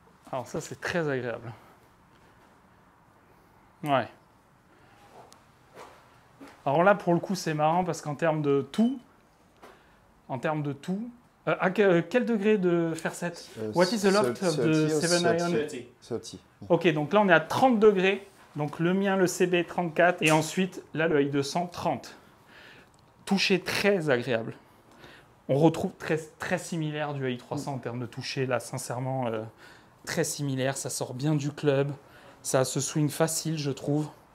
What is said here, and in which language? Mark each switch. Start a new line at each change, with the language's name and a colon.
French: Alors ça, c'est très agréable. Ouais. Alors là, pour le coup, c'est marrant parce qu'en termes de tout, à quel degré de fair set?
English: What is the loft of the 7 iron? 30.
French: OK, donc là, on est à 30 degrés. Donc le mien, le CB, 34. Et ensuite, là, le I200, 30. Toucher très agréable. On retrouve très similaire du I300 en termes de toucher, là, sincèrement… Très similaire, ça sort bien du club, ça a ce swing facile, je trouve.